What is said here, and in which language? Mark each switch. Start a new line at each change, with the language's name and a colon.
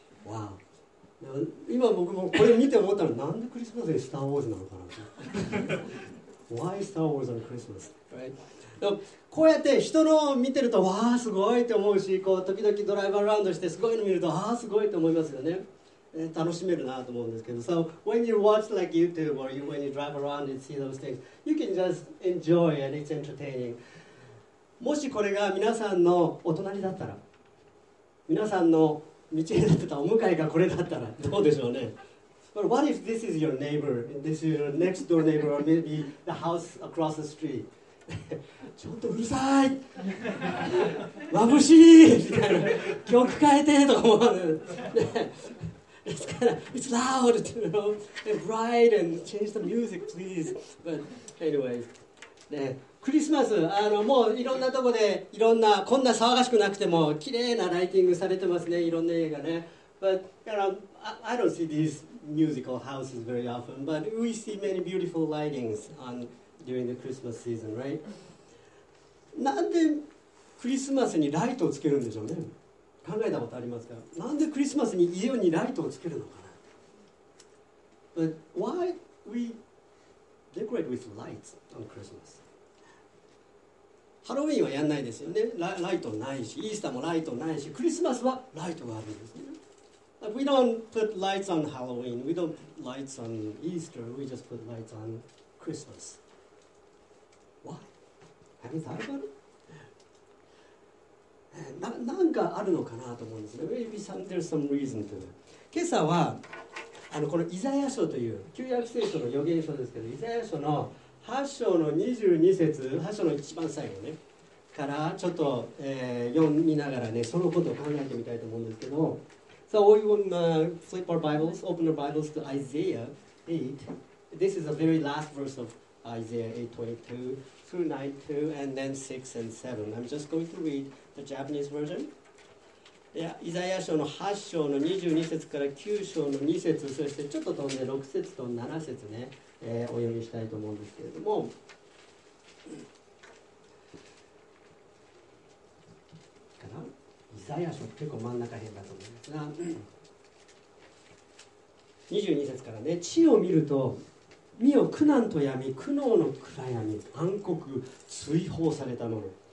Japanese: わあ。今僕もこれ見て思ったら、なんでクリスマスにスター・ウォーズなのかな。
English: Why Star Wars on Christmas?
Japanese: こうやって人の見てると、わあすごいって思うし、こう時々ドライブアラウンドしてすごいの見ると、ああすごいって思いますよね。楽しめるなと思うんですけど、
English: So when you watch like YouTube or when you drive around and see those things, you can just enjoy and it's entertaining.
Japanese: もしこれが皆さんのお隣だったら、皆さんの道になってたお向かいがこれだったらどうでしょうね。
English: But what if this is your neighbor? This is your next door neighbor or maybe the house across the street?
Japanese: ちょっとうるさい、眩しいみたいな、曲変えてとか思う。
English: It's loud, you know, and bright, and change the music, please. But anyway,
Japanese: ね、クリスマス、もういろんなとこでいろんな、こんな騒がしくなくても綺麗なライティングされてますね、いろんな映画ね。
English: But I don't see these musical houses very often. But we see many beautiful lightings on during the Christmas season, right?
Japanese: なんでクリスマスにライトをつけるんでしょうね。考えたことありますか。なんでクリスマスに家にライトをつけるのかな。
English: But why we decorate with lights on Christmas?
Japanese: ハロウィンはやんないですよね。ライトないし、イースターもライトないし、クリスマスはライトがあるんですね。
English: We don't put lights on Halloween. We don't put lights on Easter. We just put lights on Christmas. Why? Have you thought about it?
Japanese: なんかあるのかなと思うんですね。
English: Maybe some, there's some reason to it.
Japanese: 今朝はこのイザヤ書という旧約聖書の預言書ですけど、イザヤ書の8章の22節、8章の一番最後ねからちょっと、読みながらね、そのことを考えてみたいと思うんですけど。
English: So we will flip our Bibles, open our Bibles to Isaiah 8. This is the very last verse of Isaiah 8:22 through 9:2 and then 6 and 7. I'm just going to readThe Japanese version?
Japanese: イザヤ書の8章の22節から9章の2節、そしてちょっと飛んで6節と7節ね、お読みしたいと思うんですけれども。かな？イザヤ書結構真ん中辺だと思うんですが、22節からね、地を見ると、見よ苦難と闇、苦悩の暗闇、暗黒、追放されたもの。